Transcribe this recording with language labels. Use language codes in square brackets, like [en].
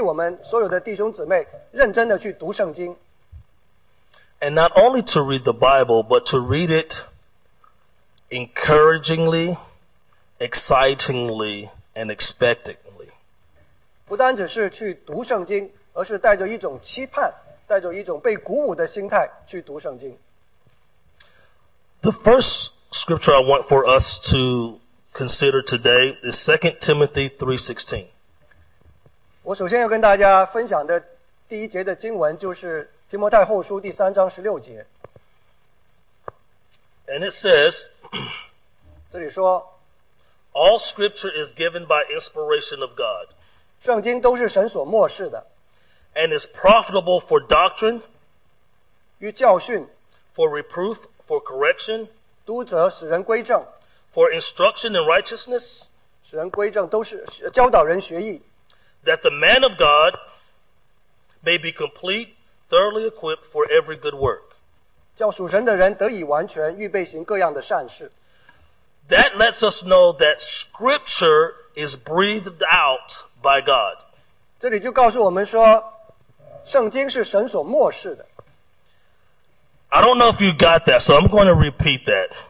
[zh] 我今天的主要的信息是想要鼓励我们所有的弟兄姊妹认真的去读圣经。 [en] And not only to read the Bible, but to read it encouragingly, excitingly, and expectantly. [zh] 不单只是去读圣经, 而是带着一种期盼, 带着一种被鼓舞的心态去读圣经。 [en] The first scripture I want for us to consider today is 2 Timothy 3:16. [zh] 我首先要跟大家分享的第一节的经文就是 提摩太后书第三章16节。 [en] And it says, [zh] 这里说, [en] All scripture is given by inspiration of God. [zh] 圣经都是神所默示的。 [en] And is profitable for doctrine, [zh] 与教训, [en] for reproof, for correction, [zh] 督责使人归正, [en] for instruction in righteousness, [zh] 使人归正都是教导人学义, [en] that the man of God may be complete, thoroughly equipped for every good work. [zh] 叫属神的人得以完全预备行各样的善事。 [en] That lets us know that Scripture is breathed out by God. [zh] 这里就告诉我们说, 圣经是神所默示的。 [en] I don't know if you got that, so I'm going to repeat that.